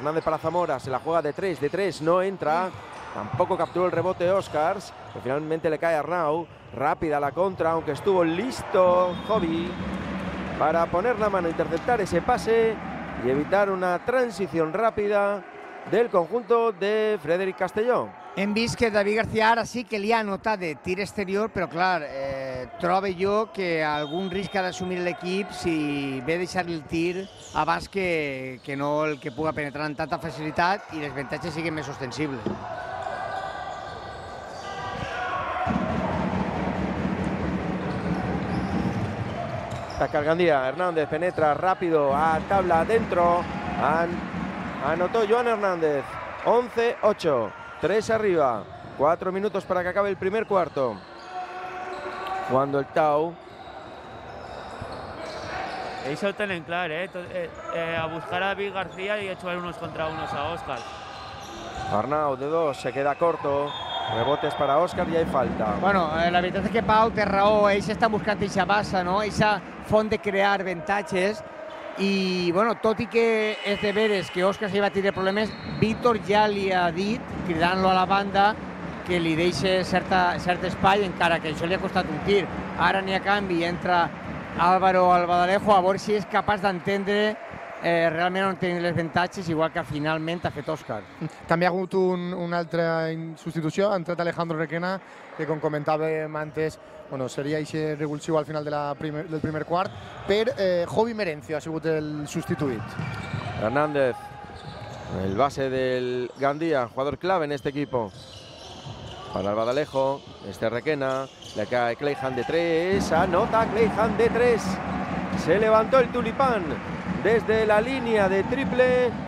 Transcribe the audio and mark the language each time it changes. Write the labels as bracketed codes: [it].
[es] Hernández para Zamora. Se la juega de tres. De tres no entra. Tampoco capturó el rebote Óscars. Finalmente le cae a Arnau. Rápida la contra, aunque estuvo listo Hobby para poner la mano, interceptar ese pase y evitar una transición rápida del conjunto de Frederic Castelló. [ca] Hem vist que David García ara sí que li ha anotat de tir exterior, però clar, trobo jo que algun risc ha d'assumir l'equip si ve a deixar-li el tir abans que no el que pugui penetrar amb tanta facilitat i les avantatges siguin més ostensibles. [es] Tacar Gandía, Hernández penetra rápido a tabla adentro. Anotó Joan Hernández, 11-8. Tres arriba, cuatro minutos para que acabe el primer cuarto. Cuando el Tau. Eso tienen claro, a buscar a David García y a echar unos contra unos a Óscar. Arnau de dos, se queda corto. Rebotes para Óscar y hay falta. Bueno, la verdad es que [ca] Pau té raó, ells estan buscant eixa passa, no? Eixa font de crear avantatges. I, bueno, tot i que és de veres que Óscar s'hi va tindre problemes, Víctor ja li ha dit, cridant-lo a la banda, que li deixi cert espai, encara que això li ha costat un tir. Ara n'hi ha canvi, entra Álvaro Albadalejo, a veure si és capaç d'entendre realment on tenen les avantatges, igual que finalment ha fet Óscar. També ha hagut una altra substitució, ha entrat Alejandro Requena, que com comentàvem antes, bueno, seria aquest revulsiu al final del primer quart, per Jovi Merencio ha sigut el substituït. [es] Hernández, el base del Gandía, jugador clave en este equipo. Para Albadalejo, este Requena, le cae Kleijan de 3, anota Kleijan de 3. Se levantó el tulipán desde la línea de triple